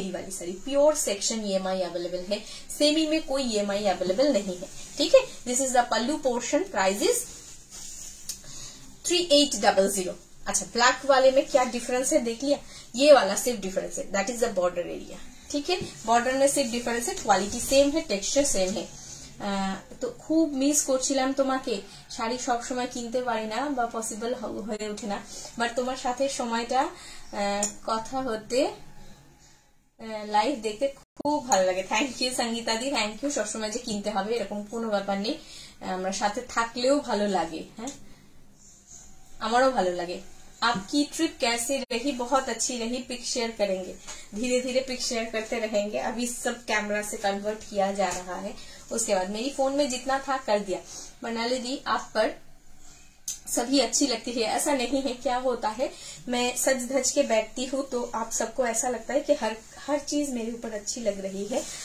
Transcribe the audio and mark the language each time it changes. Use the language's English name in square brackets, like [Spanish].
[Hindi] मेरी वाली sari pure section EMI available है, सेमी में कोई ईएमआई अवेलेबल नहीं है, ठीक है। [English] this is the pallu portion, [Hindi] prices 3800। अच्छा ब्लैक वाले में क्या डिफरेंस है देख लिया, ये वाला सिर्फ डिफरेंस है [English] that is the border area, [Hindi] ठीक है बॉर्डर में सिर्फ डिफरेंस है, क्वालिटी सेम है, टेक्सचर सेम है। [Bangla] तो खूब मिस করছিলাম তোমাকে, শাড়ি সব সময় কিনতে পারি না বা পসিবল হয়ে ওঠে না, বাট তোমার সাথে সময়টা কথা হতে লাইভ দেখতে খুব ভালো লাগে। Thank you Sangeeta the, thank you, সবসময় যে কিনতে হবে এরকম কোনো ব্যাপার নেই, আমরা সাথে থাকলেও ভালো লাগে, হ্যাঁ আমারও ভালো লাগে। [Hindi] आपकी ट्रिप कैसी रही? बहुत अच्छी रही, पिक शेयर करेंगे, धीरे धीरे पिक शेयर करते रहेंगे, अभी सब कैमरा से कन्वर्ट किया जा रहा है, उसके बाद मेरी फोन में जितना था कर दिया। मनाली दी आप पर सभी अच्छी लगती है, ऐसा नहीं है। क्या होता है, मैं सज धज के बैठती हूँ तो आप सबको ऐसा लगता है कि हर चीज मेरे ऊपर अच्छी लग रही है।